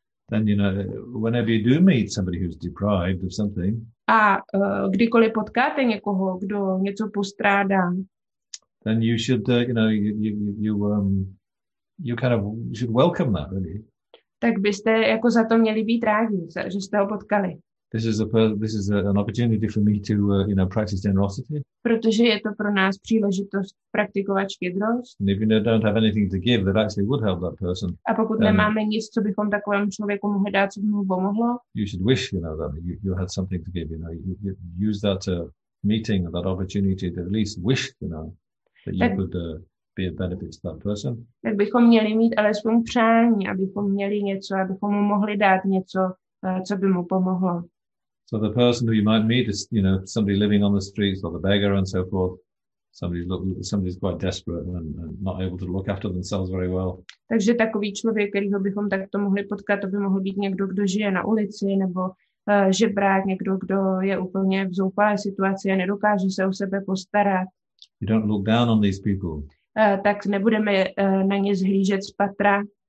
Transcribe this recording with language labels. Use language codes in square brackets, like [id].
[en] Then you know, whenever you do meet somebody who's deprived of something. [cs] A kdykoliv potkáte někoho, kdo něco postrádá. [en] Then you should, you know, you kind of should welcome that, really. [cs] Tak byste jako za to měli být rádi, že jste ho potkali. [en] This is an opportunity for me to, you know, practice generosity. [cs] Protože je to pro nás příležitost praktikovat štědrost. [en] And if you don't have anything to give, that actually would help that person. [cs] A pokud nemáme nic, co bychom takovému člověku mohli dát, co by mu pomohlo. [en] You should wish, you know, that you had something to give. You know, you use that meeting, that opportunity to at least wish, you know, that you could be a benefit to that person. [cs] Tak bychom měli mít alespoň přání, abychom měli něco, abychom mu mohli dát něco. Co by mu pomohlo. [en] So the person who you might meet is, you know, somebody living on the streets or the beggar and so forth. Somebody's quite desperate and not able to look after themselves very well. [cs] Takže takový člověk, kterýho bychom takto mohli potkat, to by mohl být někdo, kdo žije na ulici, nebo žebrák, někdo, kdo je úplně v zoufalé situaci a nedokáže se o sebe postarat. [en] You don't look down on these people. [cs] Tak nebudeme na ně zhlížet z patra.